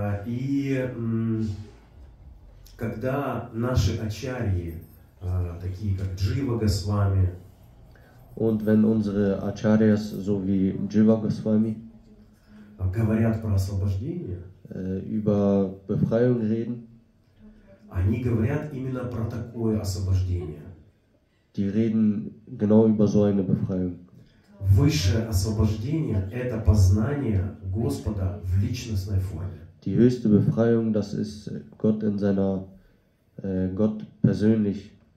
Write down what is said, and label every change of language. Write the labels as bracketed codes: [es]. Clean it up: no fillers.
[ru] И когда наши ачарьи, такие как Джива Госвами, [de] und wenn unsere Acharyas, so wie Jiva Goswami, [ru] говорят про освобождение, [de] über Befreiung reden, [ru] они говорят именно про такое освобождение. [de] Die reden genau über so eine Befreiung. [ru] Высшее освобождение – это познание Господа в личностной форме. [de] Die höchste Befreiung, das ist Gott in seiner Gott persönlich.